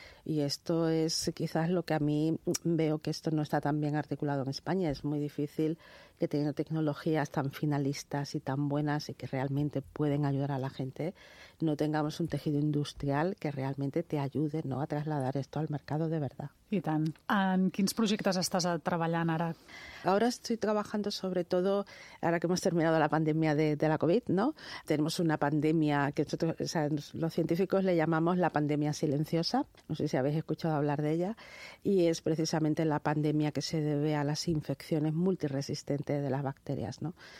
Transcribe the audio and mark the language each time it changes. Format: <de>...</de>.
<es>Y esto es quizás lo que a mí veo que esto no está tan bien articulado en España. Es muy difícil que teniendo tecnologías tan finalistas y tan buenas y que realmente pueden ayudar a la gente, no tengamos un tejido industrial que realmente te ayude, ¿no?, a trasladar esto al mercado de verdad.</es> <ca>I tant. ¿En quins projectes estàs treballant ara?</ca> <es>Ahora estoy trabajando sobre todo, ahora que hemos terminado la pandemia de la COVID, ¿no? Tenemos una pandemia que nosotros, o sea, los científicos le llamamos la pandemia silenciosa. No sé si habéis escuchado hablar de ella. Y es precisamente la pandemia que se debe a las infecciones multiresistentes de las bacterias, ¿no?</es>